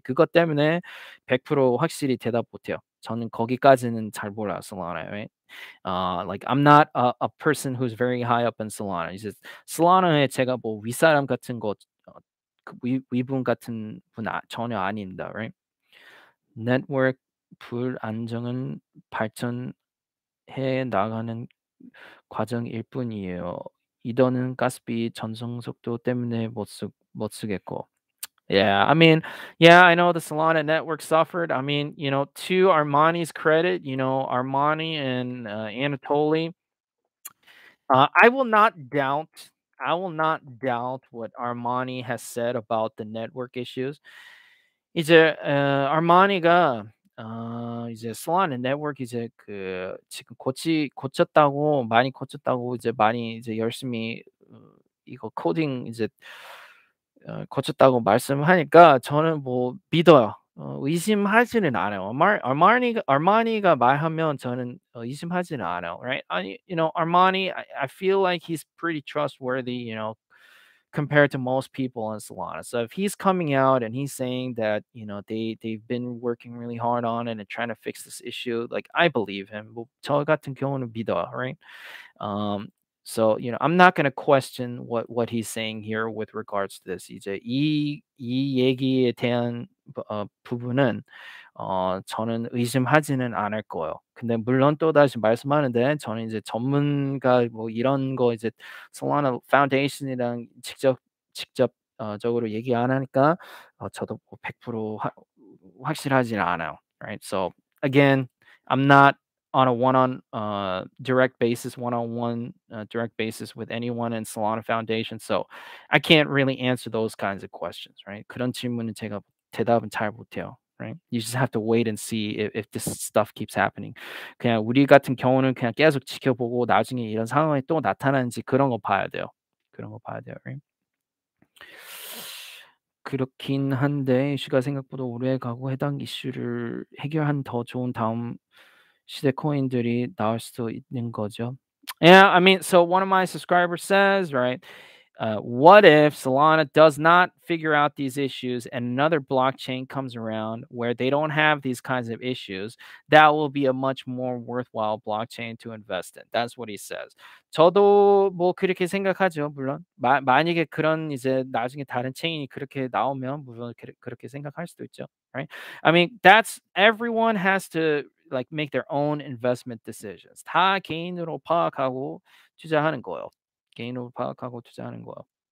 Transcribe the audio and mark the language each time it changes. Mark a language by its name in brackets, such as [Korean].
[Korean] 그것 때문에 100% 확실히 대답 못해요. 저는 거기까지는 잘 몰라요, Solana, [English] right? Like, I'm not a person who's very high up in Solana. [Korean] 이제 Solana에 제가 뭐 윗사람 같은 거, 위분 같은 분 전혀 아닙니다, [English] right? [Korean] Network 불안정은 발전 해 나가는 과정일 뿐이에요. 이더는 가스비 전송 속도 때문에 못 쓰겠고. [English] I know the Solana network suffered. I mean, you know, to Armani's credit, you know, Armani and Anatoly, I will not doubt what Armani has said about the network issues. [Korean] 이제 Armani가 이제 Solana Network 이제 그 지금 고쳤다고 많이 고쳤다고 이제 많이 이제 열심히 이거 코딩 이제 고쳤다고 말씀하니까 저는 뭐 믿어요. 의심하지는 않아요. Armani가 말하면 저는 의심하지는 않아요. [English] Right? Armani, I feel like he's pretty trustworthy, you know, compared to most people in Solana. So if he's coming out and he's saying that, you know, they've been working really hard on it and trying to fix this issue, like, I believe him. [Korean] 저 같은 경우는 믿어요, [English] right? So, you know, I'm not going to question what he's saying here with regards to this. [Korean] 이제 이 얘기에 대한 부분은 저는 의심하지는 않을 거예요. 근데 물론 또 다시 말씀하는데 저는 이제 전문가 뭐 이런 거 이제 Solana Foundation이랑 직접 적으로 얘기 안 하니까 저도 100% 확실하지는 않아요. [English] Right? So again, I'm not on a direct basis with anyone in Solana Foundation. So I can't really answer those kinds of questions, right? [Korean] 그런 질문은 제가 대답은 잘 못해요. [English] Right? You just have to wait and see if this stuff keeps happening. [Korean] 그냥 우리 같은 경우는 그냥 계속 지켜보고 나중에 이런 상황이 또 나타나는지 그런 거 봐야 돼요. 그런 거 봐야 돼요. [English] Right? [Korean] 그렇긴 한데 이슈가 생각보다 오래 가고 해당 이슈를 해결한 더 좋은 다음 시대 코인들이 나올 수도 있는 거죠. [English] Yeah, I mean, so one of my subscribers says, right, what if Solana does not figure out these issues and another blockchain comes around where they don't have these kinds of issues? That will be a much more worthwhile blockchain to invest in. That's what he says. [Korean] 저도 뭐 그렇게 생각하죠, 물론. 만약에 그런 이제 나중에 다른 체인이 그렇게 나오면 물론 그렇게 생각할 수도 있죠, [English] right? I mean, that's, everyone has to, like, make their own investment decisions. [Korean] 다 개인으로 파악하고 투자하는 거예요. 개인으로 파악하고 투자하는 거예요.